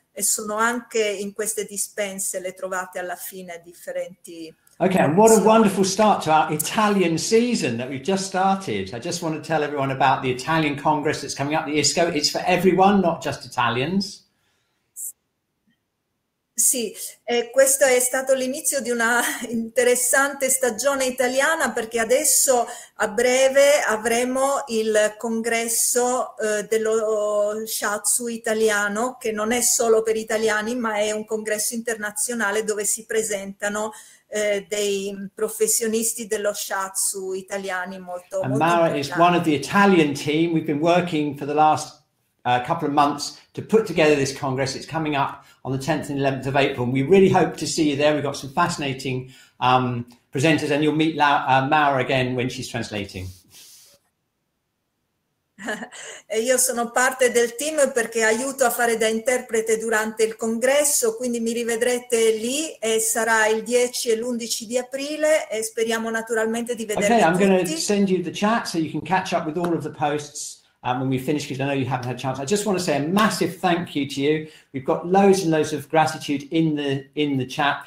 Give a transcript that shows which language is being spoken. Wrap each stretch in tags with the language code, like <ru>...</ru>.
<it>E sono anche in queste dispense, le trovate alla fine, differenti.</it> <en>Okay, and what a wonderful start to our Italian season that we've just started. I just want to tell everyone about the Italian Congress that's coming up, the ISCO. It's for everyone, not just Italians.</en> <it>Sì, questo è stato l'inizio di una interessante stagione italiana perché adesso a breve avremo il congresso dello Shiatsu italiano, che non è solo per italiani ma è un congresso internazionale dove si presentano dei professionisti dello Shiatsu italiani molto importanti.</it> <en>Mara is one of the Italian team. We've been working for the last couple of months to put together this congress. It's coming up on the 10th and 11th of April. And we really hope to see you there. We've got some fascinating presenters and you'll meet Mara again when she's translating.</en> <it>E io sono parte del team perché aiuto a fare da interprete durante il congresso, quindi mi rivedrete lì e sarà il 10 e l'11 di aprile e speriamo naturalmente di vedervi okay, tutti.</it> <en>Ok, I'm going to send you the chat so you can catch up with all of the posts when we finish, because I know you haven't had a chance. I just want to say a massive thank you to you. We've got loads and loads of gratitude in the chat.</en>